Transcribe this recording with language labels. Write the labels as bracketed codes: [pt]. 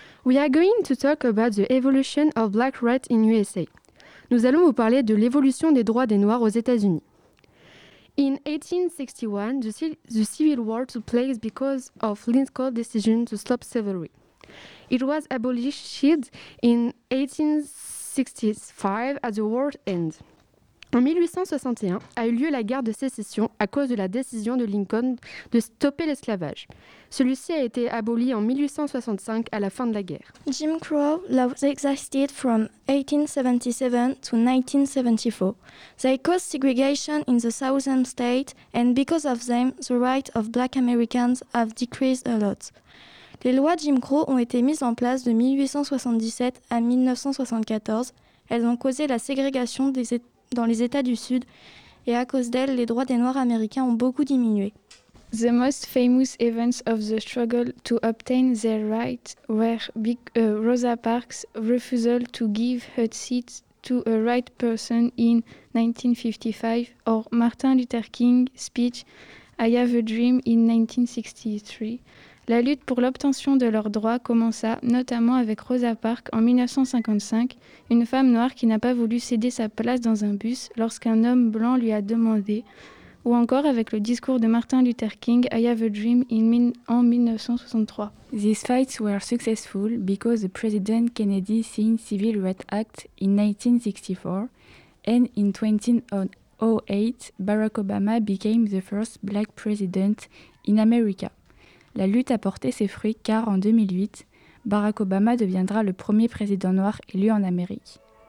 [en] We are going to talk about the evolution of black rights in USA. [fr] Nous allons vous parler de l'évolution des droits des Noirs aux États-Unis. [en] In 1861, the Civil War took place because of Lincoln's decision to stop slavery. It was abolished in 1865 at the war's end. [fr] En 1861, a eu lieu la guerre de sécession à cause de la décision de Lincoln de stopper l'esclavage. Celui-ci a été aboli en 1865 à la fin de la guerre. [en] Jim Crow laws existed from 1877 to 1974. They caused segregation in the Southern states, and because of them, the rights of black Americans have decreased a lot. [fr] Les lois Jim Crow ont été mises en place de 1877 à 1974. Elles ont causé la ségrégation des États dans les États du Sud, et à cause d'elle, les droits des Noirs américains ont beaucoup diminué. [en] The most famous events of the struggle to obtain their rights were Rosa Parks' refusal to give her seat to a right person in 1955, or Martin Luther King's speech I Have a Dream in 1963. [fr] La lutte pour l'obtention de leurs droits commença notamment avec Rosa Parks en 1955, une femme noire qui n'a pas voulu céder sa place dans un bus lorsqu'un homme blanc lui a demandé, ou encore avec le discours de Martin Luther King, I Have a Dream, en 1963. [en] These fights were successful because President Kennedy signed Civil Rights Act in 1964, and in 2008, Barack Obama became the first black president in America. [fr] La lutte a porté ses fruits car en 2008, Barack Obama deviendra le premier président noir élu en Amérique.